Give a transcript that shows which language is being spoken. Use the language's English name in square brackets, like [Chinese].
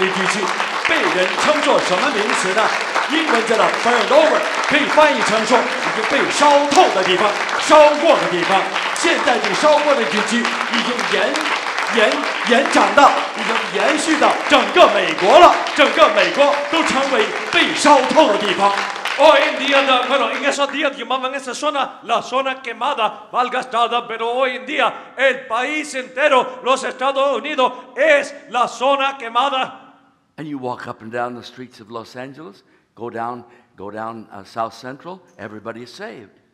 [Chinese] 结果到菲尼50岁的时候，他举行宣道大会的地区，被人称作什么名词呢？英文叫做Burned Over， 可以翻译成说已经被烧透的地方，烧过的地方。现在这烧过的地区已经延长到，已经延续到整个美国了，整个美国都成为被烧透的地方。 [Spanish] Hoy en día, bueno, en esos días llamaban esa zona la zona quemada, malgastada, pero hoy en día el país entero, los Estados Unidos, es la zona quemada. [English] And you walk up and down the streets of Los Angeles, go down South Central, everybody is saved.